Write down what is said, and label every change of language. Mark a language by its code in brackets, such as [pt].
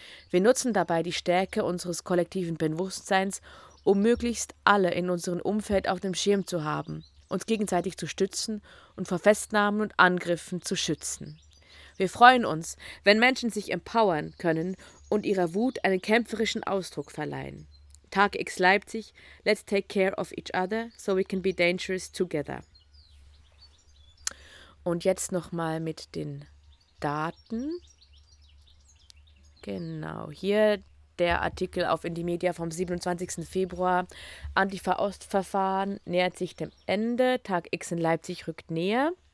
[de] Wir nutzen dabei die Stärke unseres kollektiven Bewusstseins, um möglichst alle in unserem Umfeld auf dem Schirm zu haben, uns gegenseitig zu stützen und vor Festnahmen und Angriffen zu schützen. Wir freuen uns, wenn Menschen sich empowern können und ihrer Wut einen kämpferischen Ausdruck verleihen. [en] Tag X Leipzig, let's take care of each other, so we can be dangerous together. [de] Und jetzt nochmal mit den Daten. Genau, hier der Artikel auf Indymedia vom 27. Februar. Antifa-Ost-Verfahren nähert sich dem Ende. Tag X in Leipzig rückt näher.